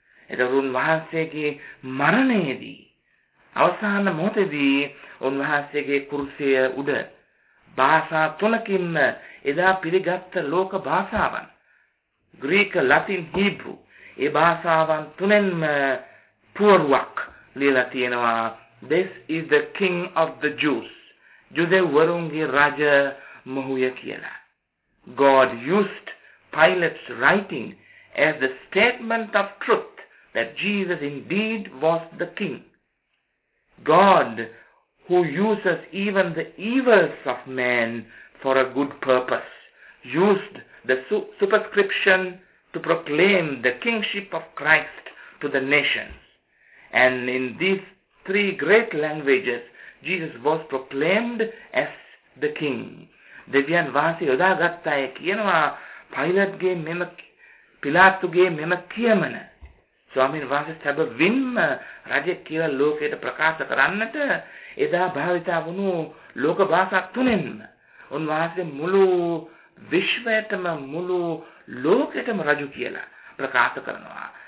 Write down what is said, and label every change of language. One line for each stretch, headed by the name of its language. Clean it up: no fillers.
Sinhala: එතකොට උන්වහන්සේගේ මරණයේදී අවසාන මොහොතේදී උන්වහන්සේගේ කුරුසය උඩ භාෂා තුනකින්ම එදා පිළිගත්ත ලෝක භාෂාවන් ග්‍රීක, ලතින්, හීබ්‍රු ඒ භාෂාවන් තුනෙන්ම පුවරුවක් ලියලා තියෙනවා.
English: This is the king of the Jews.
Sinhala: යුදෙව්වරුන්ගේ රජ මොහුය කියලා.
English: God used Pilate's writing as the statement of truth that Jesus indeed was the king. God, who uses even the evils of man for a good purpose, used the superscription to proclaim the kingship of Christ to the nations. And in these three great languages, Jesus was proclaimed as the king.
Sinhala: දෙවියන් වහන්සේ යොදාගත්තාය කියනවා පයිලට්ගේ මෙම පිලාත්තුගේ මෙම කියමන. ස්වාමීන් වහන්සේ සැබවින්ම රජෙක් කියලා ලෝකයට ප්‍රකාශ කරන්නට එදා භාවිතා වුණු ලෝක භාෂා තුනෙන්ම උන්වහන්සේ මුළු විශ්වයටම මුළු ලෝකෙටම රජු කියලා ප්‍රකාශ කරනවා.